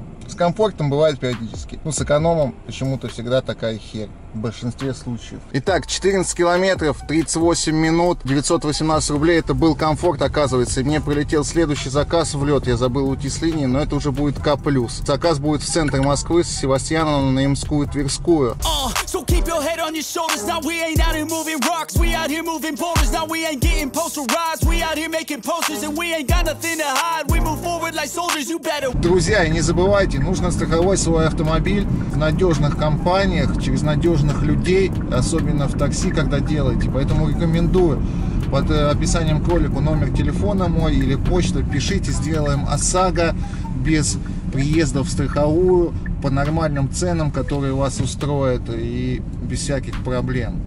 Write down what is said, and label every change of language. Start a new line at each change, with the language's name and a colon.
Russian: С комфортом бывает периодически. Ну, с экономом почему-то всегда такая херь. В большинстве случаев. Итак, 14 километров, 38 минут, 918 рублей. Это был комфорт, оказывается. И мне прилетел следующий заказ в лед. Я забыл уйти с линии, но это уже будет К+. Заказ будет в центр Москвы, с Севастьянова на Ямскую, Тверскую.
English: So keep your head on your shoulders. Now we ain't out here moving rocks. We out here moving boulders. Now we ain't getting postal rides. We out here making posters. And we ain't got nothing to hide. We move forward like soldiers. You better...
Russian: Друзья, и не забывайте, нужно страховать свой автомобиль в надежных компаниях, через надежные людей, особенно в такси, когда делаете. Поэтому рекомендую под описанием к ролику номер телефона мой или почту. Пишите, сделаем ОСАГО без приезда в страховую по нормальным ценам, которые вас устроят и без всяких проблем.